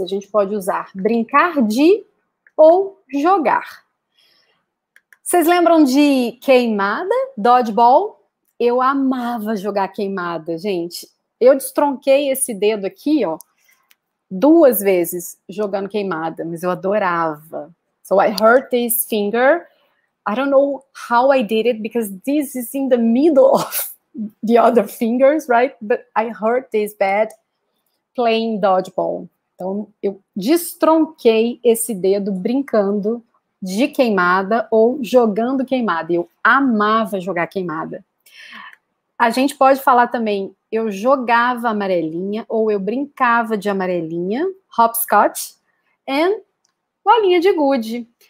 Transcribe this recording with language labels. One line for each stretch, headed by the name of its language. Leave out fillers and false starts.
Portuguese: A gente pode usar brincar de ou jogar. Vocês lembram de queimada, dodgeball? Eu amava jogar queimada, gente. Eu destronquei esse dedo aqui, ó, duas vezes jogando queimada, mas eu adorava.
English: So I hurt this finger. I don't know how I did it, because this is in the middle of the other fingers, right? But I hurt this bad playing dodgeball.
Portuguese: Então, eu destronquei esse dedo brincando de queimada ou jogando queimada. Eu amava jogar queimada. A gente pode falar também, eu jogava amarelinha ou eu brincava de amarelinha, hopscotch, and bolinha de gude.